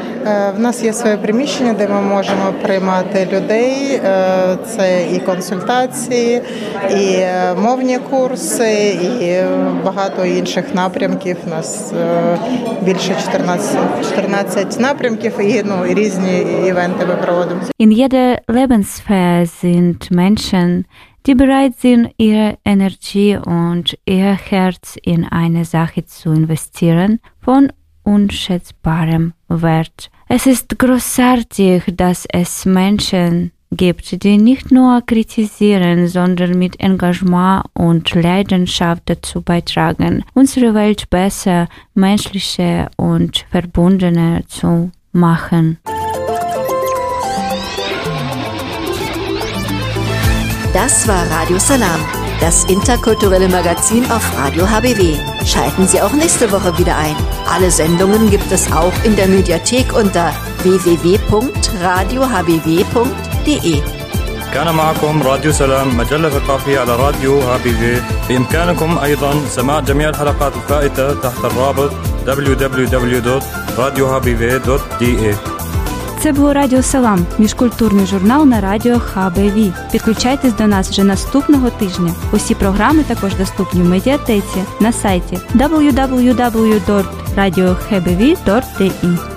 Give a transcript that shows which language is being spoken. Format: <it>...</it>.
<uk>В нас є своє приміщення, де ми можемо приймати людей. Це і консультації, і мовні курси, і багато інших напрямків. У нас більше 14 напрямків, і ну, різні івенти ми проводимо.</uk> <de>In jede Lebensphäre sind Menschen, die bereit sind, ihre Energie und ihr Herz in eine Sache zu investieren, von unschätzbarem Wert. Es ist großartig, dass es Menschen gibt, die nicht nur kritisieren, sondern mit Engagement und Leidenschaft dazu beitragen, unsere Welt besser, menschlicher und verbundener zu machen. Das war Radio Salam, das interkulturelle Magazin auf Radio HBW. Schalten Sie auch nächste Woche wieder ein. Alle Sendungen gibt es auch in der Mediathek unter www.radiohbw.de.</de> <ar>كان معكم راديو سلام مجلة ثقافية على راديو HBW. بإمكانكم أيضا سماع جميع الحلقات الفائتة تحت الرابط www.radiohbw.de.</ar> <uk>Це був Радіо Салам, міжкультурний журнал на радіо HBW. Підключайтесь до нас вже наступного тижня. Усі програми також доступні в медіатеці на сайті www.radiohbw.de.</uk>